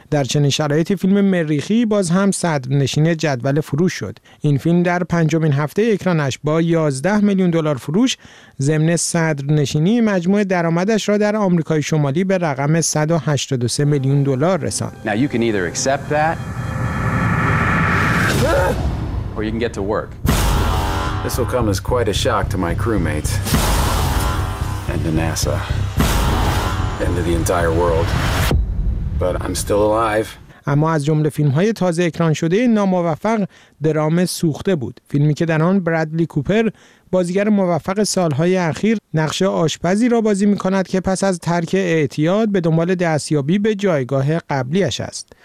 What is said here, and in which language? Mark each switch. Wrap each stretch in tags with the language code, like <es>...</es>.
<fa>در چنین شرایطی فیلم مریخی باز هم صدرنشین جدول فروش شد. این فیلم در پنجمین هفته اکرانش با 11 میلیون دلار فروش ضمن صدرنشینی مجموع درآمدش را در آمریکای شمالی به رقم 183 میلیون دلار رساند.</fa> <en>Now you can either accept that or you can get to work. This will come as quite a shock to my crewmates and to NASA and to the entire world. But I'm still alive.</en> <fa>اما از جمله فیلم‌های تازه اکران شده ناموفق درام سوخته بود، فیلمی که در آن برادلی کوپر بازیگر موفق سال‌های اخیر نقش آشپزی را بازی می‌کند که پس از ترک اعتیاد به دنبال دستیابی به جایگاه قبلیش است.</fa>